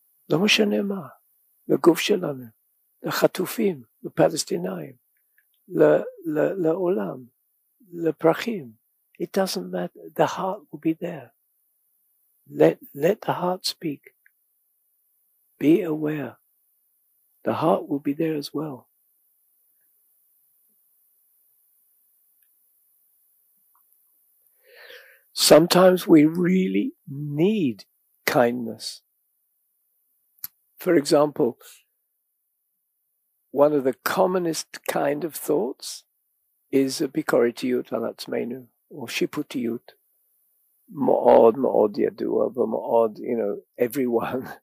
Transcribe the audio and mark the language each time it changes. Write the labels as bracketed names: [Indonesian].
[Hebrew] לא משנה מה, לגוף שלנו, לחטופים, לפלסטינאים, לעולם, לפרחים. [English] It doesn't matter, the heart will be there. Let the heart speak. Be aware. The heart will be there as well. Sometimes we really need kindness. For example, one of the commonest kind of thoughts is [Hebrew] ביקורתיות על עצמנו, [English] or שיפוטיות. [Hebrew] מאוד מאוד ידוע, ומאוד, [English] you know, everyone.